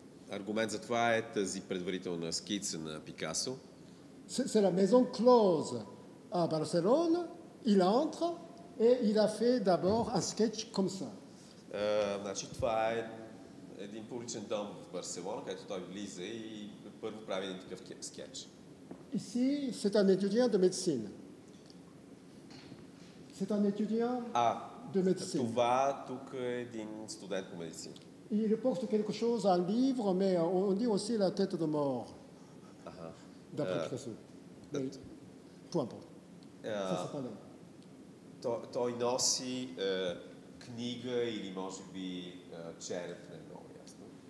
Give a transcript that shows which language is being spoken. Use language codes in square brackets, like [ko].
[bg] Аргумент за това е тази предварителна скица на Пикасо. [fr] C'est la maison close à Barcelone. Il entre et il a fait d'abord un sketch comme ça. [bg] Значи това е един публичен дом в Барселона, където той влиза и първо прави един такъв скетч. [fr] Ici, c'est un étudiant de médecine. C'est un étudiant de médecine. [bg] Това тук е един студент по медицина. [fr] Il porte quelque chose, un livre, mais on dit aussi la tête de mort. D'après Picasso. Peu importe. Ça ne s'appelle pas. Il [bg] носи книга или може би череп, не е много ясно.